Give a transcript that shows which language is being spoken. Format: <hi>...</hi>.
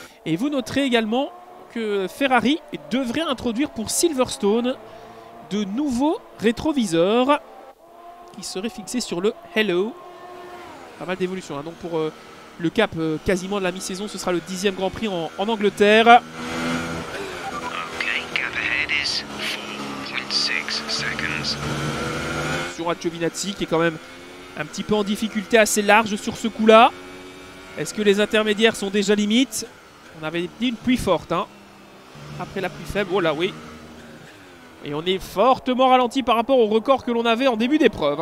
<fr>Et vous noterez également que Ferrari devrait introduire pour Silverstone de nouveaux rétroviseurs qui seraient fixés sur le Halo. Pas mal d'évolution, hein, donc pour... Le cap quasiment de la mi-saison, ce sera le 10e Grand Prix en Angleterre.</fr> <en>Okay, cap ahead is 4.6 seconds.</en> <fr>Sur Giovinazzi qui est quand même un petit peu en difficulté, assez large sur ce coup-là. Est-ce que les intermédiaires sont déjà limites? On avait dit une pluie forte, hein. Après la pluie faible, oh là oui. Et on est fortement ralenti par rapport au record que l'on avait en début d'épreuve.</fr>